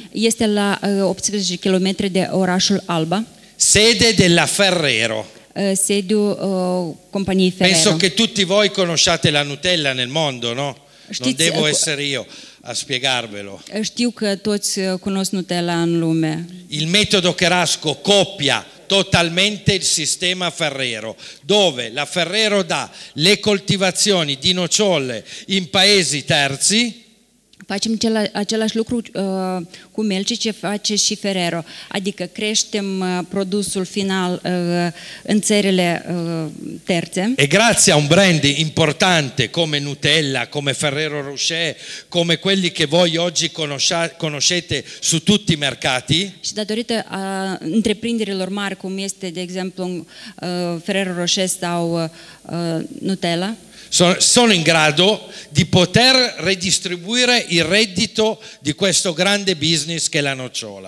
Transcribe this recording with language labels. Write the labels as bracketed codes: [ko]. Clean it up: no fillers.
[ro] Este la 18 km de orașul Alba. [it] Sede della Ferrero. [ro] Sediu companiei Ferrero. [it] Penso che tutti voi conosciate la Nutella nel mondo, no? Știți, non devo essere io a spiegarvelo. [ro] Știu că toți cunosc Nutella în lume. [it] Il metodo Cherasco copia totalmente il sistema Ferrero, dove la Ferrero dà le coltivazioni di nocciole in paesi terzi. [ro] Facem același lucru cu melci ce face și Ferrero, adică creștem produsul final în țările terțe. [it] E grazie a un brand importante come Nutella, come Ferrero Rocher, come quelli che voi oggi conoscete su tutti i mercati. [ro] Și datorită întreprinderilor mari, cum este, de exemplu, Ferrero Rocher sau Nutella, [it] sono in grado di poter redistribuire il reddito di questo grande business che è la nocciola.